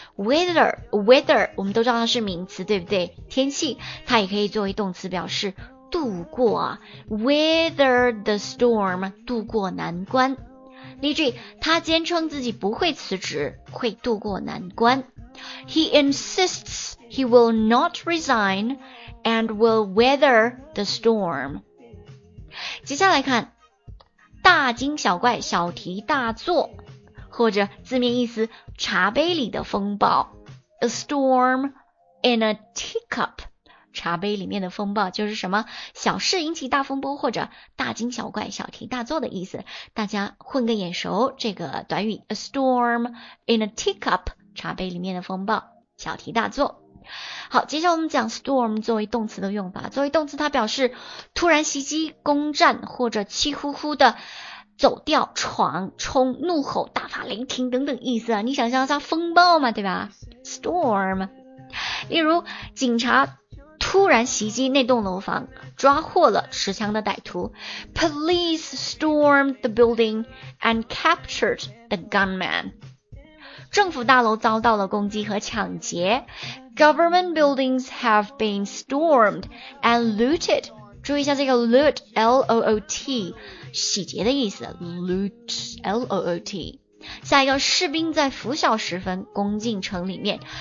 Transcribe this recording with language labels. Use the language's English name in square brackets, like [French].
[Chinese] Weather, 我们都知道它是名词，对不对？天气，它也可以作为动词表示度过。 Weather the storm, 度过难关。例句，他坚称自己不会辞职，会度过难关。 [English] He insists he will not resign and will weather the storm. [Chinese] 接下来看，大惊小怪，小题大做，或者字面意思，茶杯里的风暴。 [English] A storm in a teacup. [Chinese] 茶杯里面的风暴就是什么？小事引起大风波，或者大惊小怪、小题大做的意思。大家混个眼熟这个短语 ，a storm in a teacup， 茶杯里面的风暴，小题大做。好，接下来我们讲 storm 作为动词的用法。作为动词，它表示突然袭击、攻占，或者气呼呼的走掉、闯、冲、怒吼、大发雷霆等等意思啊。你想象一下风暴嘛，对吧 ？storm， 例如警察突然袭击那栋楼房，抓获了持枪的歹徒。 [English] Police stormed the building and captured the gunman. [Chinese] 政府大楼遭到了攻击和抢劫。 [English] Government buildings have been stormed and looted. [Chinese] 注意一下这个 loot, L-O-O-T, 洗劫的意思。 [English] Loot, L-O-O-T。 [Chinese] 下一个，士兵在拂晓时分攻进城里面。